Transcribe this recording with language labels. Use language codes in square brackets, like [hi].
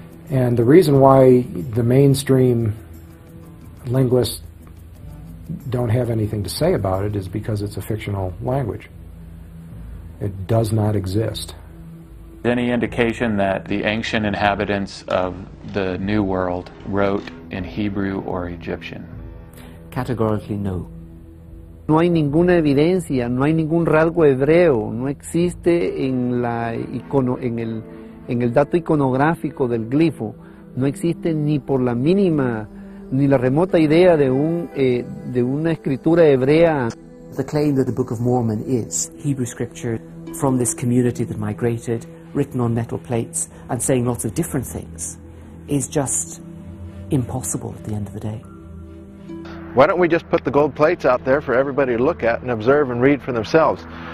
[en] And the reason why the mainstream linguists don't have anything to say about it is because it's a fictional language. It does not exist. Any indication that the ancient inhabitants of the New World wrote in Hebrew or Egyptian? Categorically no. [es] No hay ninguna evidencia, no hay ningún rasgo hebreo, no existe en la icono, en el dato iconográfico del glifo, no existe ni por la mínima ni la remota idea de un de una escritura hebrea. [en] The claim that the Book of Mormon is Hebrew scripture from this community that migrated, written on metal plates, and saying lots of different things, is just impossible at the end of the day. Why don't we just put the gold plates out there for everybody to look at and observe and read for themselves?